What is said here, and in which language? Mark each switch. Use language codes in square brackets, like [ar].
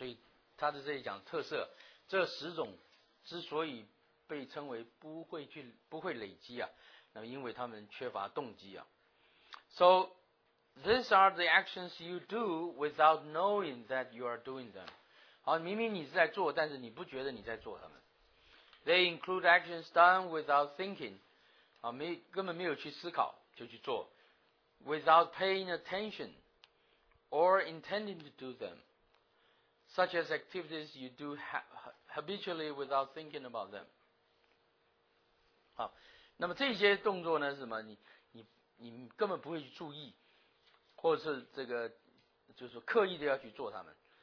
[zh] 所以他的这里讲特色，这十种之所以被称为不会累积啊，那么因为他们缺乏动机啊。 [en] So these are the actions you do without knowing that you are doing them. [zh] 好，明明你是在做，但是你不觉得你在做他们。 [en] They include actions done without thinking. [zh] 好，根本没有去思考就去做。 [en] Without paying attention or intending to do them. Such as activities you do habitually without thinking about them. [zh] 好，那么这些动作呢是什么？你根本不会去注意，或者是这个就是说刻意的要去做它们。